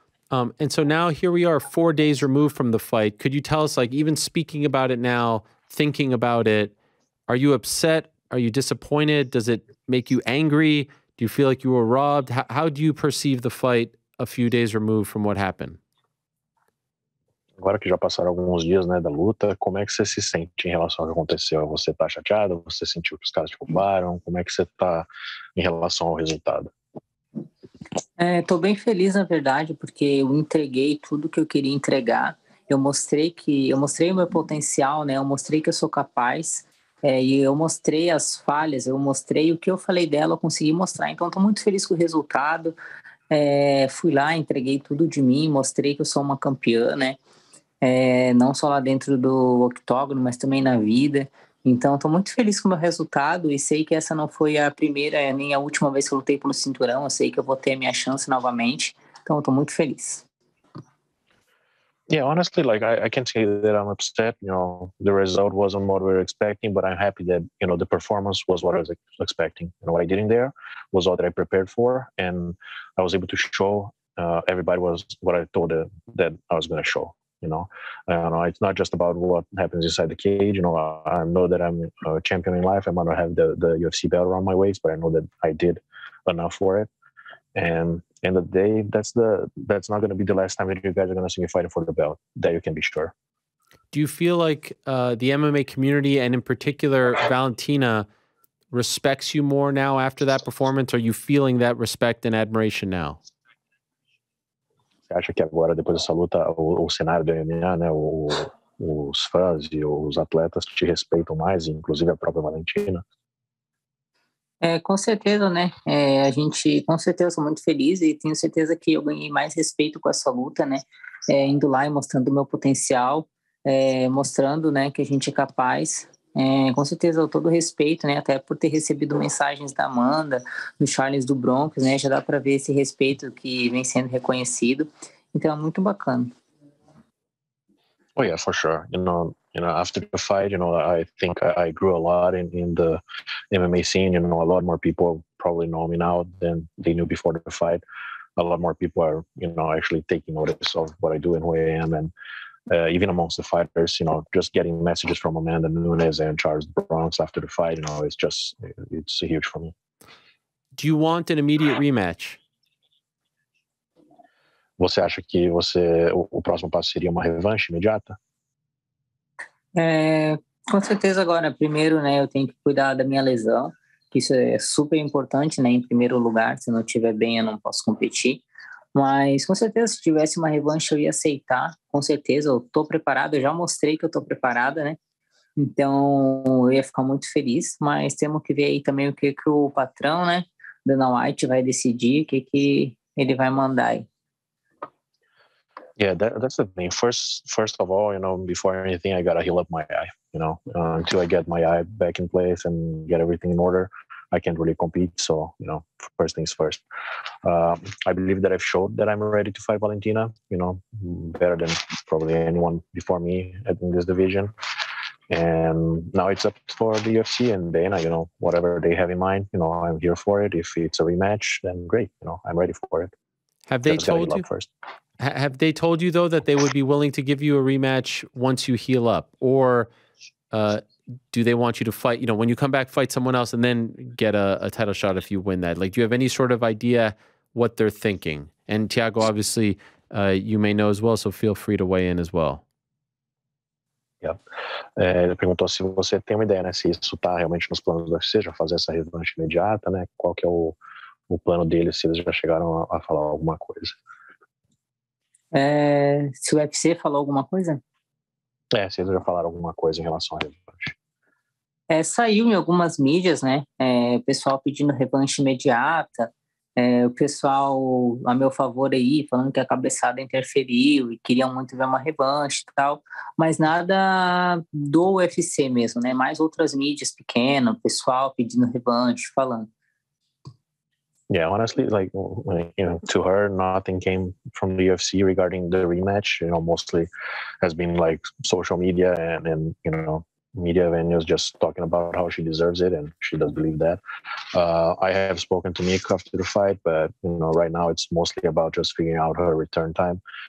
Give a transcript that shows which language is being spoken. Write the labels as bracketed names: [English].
[English] And so now here we are 4 days removed from the fight. Could you tell us, like, even speaking about it now, thinking about it, are you upset? Are you disappointed? Does it make you angry? Do you feel like you were robbed? How do you perceive the fight a few days removed from what happened? [Portuguese] Agora que já passaram alguns dias, né, da luta, como é que você se sente em relação ao que aconteceu? Você tá chateado? Você sentiu que os caras te roubaram? Como é que você tá em relação ao resultado? Tô bem feliz, na verdade, porque eu entreguei tudo que eu queria entregar. Eu mostrei o meu potencial, né? Eu mostrei que eu sou capaz. E eu mostrei as falhas, eu mostrei o que eu falei dela, eu consegui mostrar. Então, tô muito feliz com o resultado. Fui lá, entreguei tudo de mim, mostrei que eu sou uma campeã, né? Não só lá dentro do octógono, mas também na vida. Então, estou muito feliz com o meu resultado e sei que essa não foi a primeira nem a última vez que eu lutei pelo cinturão. Eu sei que eu vou ter a minha chance novamente. Então, estou muito feliz. [English] Yeah, honestly, like I can't say that I'm upset. You know, the result wasn't what we were expecting, but I'm happy that, you know, the performance was what I was expecting. You know, what I did in there was all that I prepared for, and I was able to show everybody was what I told them that I was going to show. You know, it's not just about what happens inside the cage. You know, I know that I'm a champion in life. I might not have the UFC belt around my waist, but I know that I did enough for it. And in the day, that's not going to be the last time that you guys are going to see me fighting for the belt. That you can be sure. Do you feel like the MMA community, and in particular Valentina, respects you more now after that performance? Are you feeling that respect and admiration now? [Portuguese] Acha que agora, depois dessa luta, o cenário do MMA, né, os fãs e os atletas te respeitam mais, inclusive a própria Valentina? Com certeza, né? A gente, com certeza, sou muito feliz e tenho certeza que eu ganhei mais respeito com essa luta, né? Indo lá e mostrando o meu potencial, mostrando, né, que a gente é capaz. Com certeza, todo respeito, né, até por ter recebido mensagens da Amanda, do Charles, do Bronx, né, já dá para ver esse respeito que vem sendo reconhecido. Então, é muito bacana. [English] Oh, yeah, for sure. You know, after the fight, you know, I think I grew a lot in the MMA scene. You know, a lot more people probably know me now than they knew before the fight. A lot more people are, you know, actually taking notice of what I do and who I am. And even amongst the fighters, you know, just getting messages from Amanda Nunes and Charles Bronx after the fight, you know, it's huge for me. Do you want an immediate rematch? [Portuguese] Você acha que o próximo passo seria uma revanche imediata? Com certeza agora. Primeiro, né, eu tenho que cuidar da minha lesão, que isso é super importante, né, em primeiro lugar. Se não estiver bem, eu não posso competir. Mas, com certeza, se tivesse uma revanche, eu ia aceitar. Com certeza, eu estou preparado. Eu já mostrei que eu estou preparada, né? Então, eu ia ficar muito feliz. Mas temos que ver aí também o que o patrão, né, Dana White, vai decidir, o que ele vai mandar aí. [English] Yeah, that's the thing. First of all, you know, before anything, I got to heal up my eye, you know, until I get my eye back in place and get everything in order. I can't really compete. So, you know, first things first. I believe that I've showed that I'm ready to fight Valentina, you know, better than probably anyone before me in this division. And now it's up for the UFC and Dana, you know, whatever they have in mind, you know, I'm here for it. If it's a rematch, then great. You know, I'm ready for it. Have they told you first? Have they told you though that they would be willing to give you a rematch once you heal up, or do they want you to fight, you know, when you come back, fight someone else and then get a title shot if you win that? Like, do you have any sort of idea what they're thinking? And Thiago, obviously, you may know as well, so feel free to weigh in as well. Yeah. [Portuguese] Ele perguntou se você tem uma ideia, né, se isso tá realmente nos planos do UFC, já fazer essa revanche imediata, né? Qual que é o plano deles, se eles já chegaram a falar alguma coisa. Se o UFC falou alguma coisa? Se eles já falaram alguma coisa em relação à revanche. Saiu em algumas mídias, né? O pessoal pedindo revanche imediata, o pessoal a meu favor aí, falando que a cabeçada interferiu e queriam muito ver uma revanche e tal, mas nada do UFC mesmo, né? Mais outras mídias pequenas, pessoal pedindo revanche, falando. [English] Yeah, honestly, like, you know, to her, nothing came from the UFC regarding the rematch. You know, mostly has been like social media and you know, media venues just talking about how she deserves it, and she does believe that. I have spoken to Mika after the fight, but you know, right now it's mostly about just figuring out her return time.